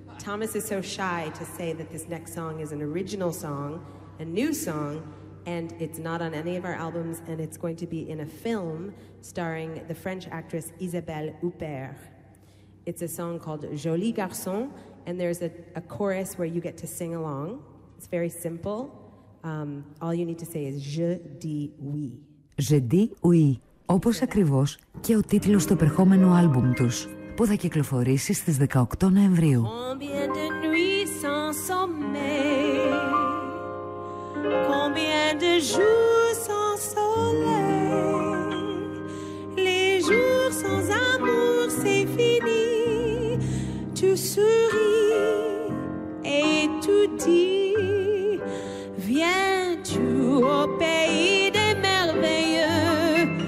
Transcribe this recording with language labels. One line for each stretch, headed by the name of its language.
English: Thomas is so shy to say that this next song is an original song, a new song, and it's not on any of our albums, and it's going to be in a film starring the French actress Isabelle Huppert. It's a song called Joli Garçon, and there's a chorus where you get to sing along. It's very simple. All you need to say is
French: je dis oui.
Greek: Je dis oui, όπως ακριβώς και ο τίτλος του επερχόμενου άλμπουμ τους, που θα κυκλοφορήσει στις 18 Νοεμβρίου.
French: Combien de nuits sans sommeil, combien de jours sans soleil, les jours sans amour, c'est fini. Tu souris et tu dis, viens-tu au pays des merveilleux?